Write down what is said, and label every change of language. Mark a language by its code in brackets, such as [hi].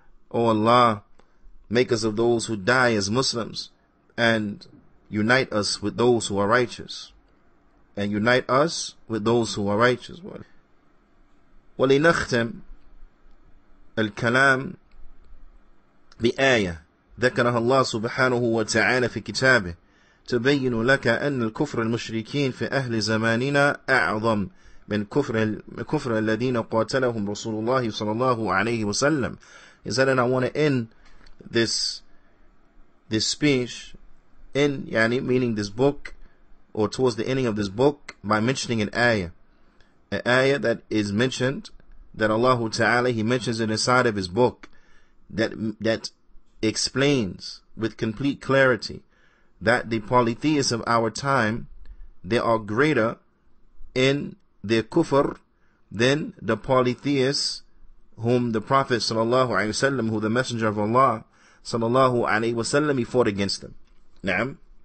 [en] O Allah, make us of those who die as Muslims and unite us with those who are righteous. And unite us with those who are righteous. [ar] ولنختم الكلام بآية ذكرها الله سبحانه وتعالى في كتابه تبين لك أن الكفر المشركين في أهل زماننا أعظم من كفر الذين قاتلهم رسول الله صلى الله عليه وسلم. [en] He said, and I want to end this speech in, [ar] يعني, [en] meaning this book, or towards the ending of this book, by mentioning an ayah that is mentioned, that Allah Ta'ala, he mentions it inside of his book, that explains with complete clarity that the polytheists of our time, they are greater in their kufr than the polytheists whom the Prophet Sallallahu Alaihi Wasallam, who the Messenger of Allah Sallallahu Alaihi Wasallam, he fought against them. Naam.